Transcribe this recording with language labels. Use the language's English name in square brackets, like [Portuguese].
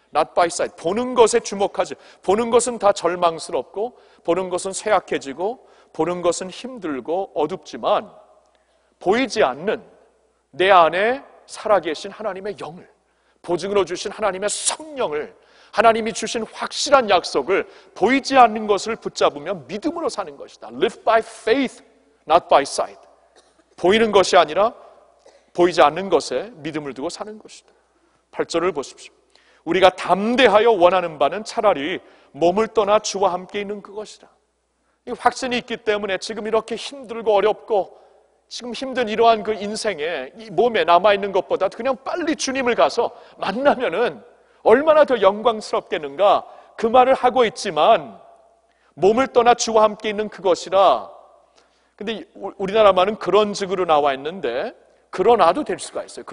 [English] Not by sight [Korean] 보는 것에 주목하지 보는 것은 다 절망스럽고 보는 것은 쇠약해지고 보는 것은 힘들고 어둡지만 보이지 않는 내 안에 살아계신 하나님의 영을 보증으로 주신 하나님의 성령을 하나님이 주신 확실한 약속을 보이지 않는 것을 붙잡으면 믿음으로 사는 것이다. [English] Live by faith, not by sight. [Korean] 보이는 것이 아니라 보이지 않는 것에 믿음을 두고 사는 것이다. 8절을 보십시오. 우리가 담대하여 원하는 바는 차라리 몸을 떠나 주와 함께 있는 그것이라. 이 확신이 있기 때문에 지금 이렇게 힘들고 어렵고 지금 힘든 이러한 그 인생에 이 몸에 남아있는 것보다 그냥 빨리 주님을 가서 만나면은 얼마나 더 영광스럽겠는가 그 말을 하고 있지만 몸을 떠나 주와 함께 있는 그것이라 근데 우리나라 말은 그런 즉으로 나와 있는데 그러나도 될 수가 있어요.